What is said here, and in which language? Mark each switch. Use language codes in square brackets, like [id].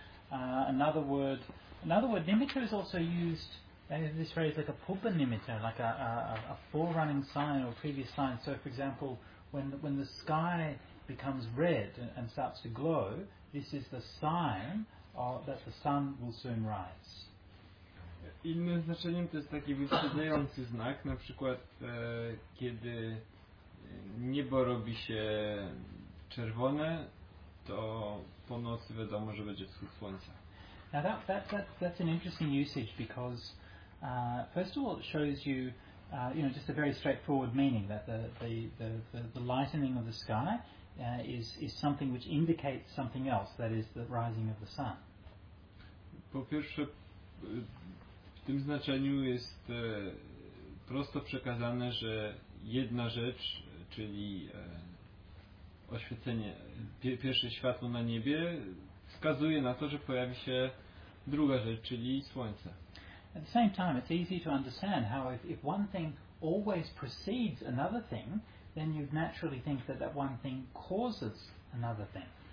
[en] Another word nimitta is also used, this phrase like a pubba nimitta, like a forerunning sign or previous sign. So for example, when the sky becomes red and starts to glow, this is the sign that the sun will soon rise. [pl] Innym znaczeniem to jest taki wyprzedzający znak, na przykład kiedy niebo robi się czerwone, to po nocy wiadomo, że będzie wschód słońca. [en] Now that's an interesting usage because first of all it shows you you know, just a very straightforward meaning that the lightening of the sky is something which indicates something else, that is the rising of the sun. [pl] Po pierwsze, w tym znaczeniu jest prosto przekazane, że jedna rzecz, czyli oświecenie, pierwsze światło na niebie, wskazuje na to, że pojawi się druga rzecz, czyli słońce. [en] At the same time, it's easy to understand how if one thing always precedes another thing, then you'd naturally think that that one thing causes another thing.